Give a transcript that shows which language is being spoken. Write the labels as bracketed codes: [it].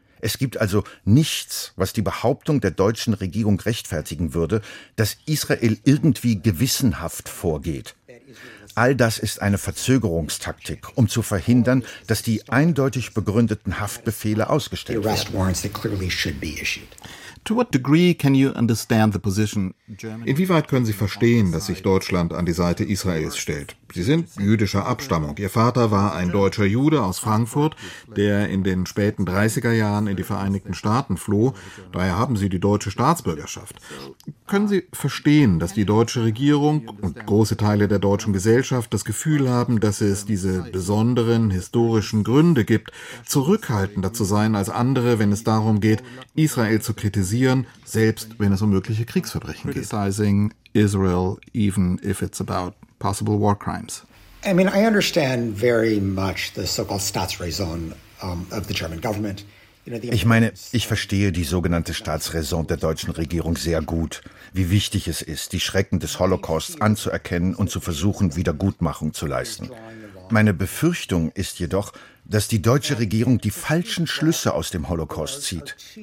[de] Es gibt also nichts, was die Behauptung der deutschen Regierung rechtfertigen würde, dass Israel irgendwie gewissenhaft vorgeht. All das ist eine Verzögerungstaktik, um zu verhindern, dass die eindeutig begründeten Haftbefehle ausgestellt werden. [en] To what degree can you understand the position Germany? [de] Inwieweit können Sie verstehen, dass sich Deutschland an die Seite Israels stellt? Sie sind jüdischer Abstammung. Ihr Vater war ein deutscher Jude aus Frankfurt, der in den späten 30er Jahren in die Vereinigten Staaten floh. Daher haben Sie die deutsche Staatsbürgerschaft. Können Sie verstehen, dass die deutsche Regierung und große Teile der deutschen Gesellschaft das Gefühl haben, dass es diese besonderen historischen Gründe gibt, zurückhaltender zu sein als andere, wenn es darum geht, Israel zu kritisieren? Selbst wenn es um mögliche Kriegsverbrechen geht. [en] Criticizing Israel, even if it's about possible war crimes. I mean, I understand very much the so-called Staatsraison of the German government. [de] Ich meine, ich verstehe die sogenannte Staatsraison der deutschen Regierung sehr gut, wie wichtig es ist, die Schrecken des Holocausts anzuerkennen und zu versuchen, Wiedergutmachung zu leisten. Meine Befürchtung ist jedoch, dass die deutsche Regierung die falschen Schlüsse aus dem Holocaust zieht.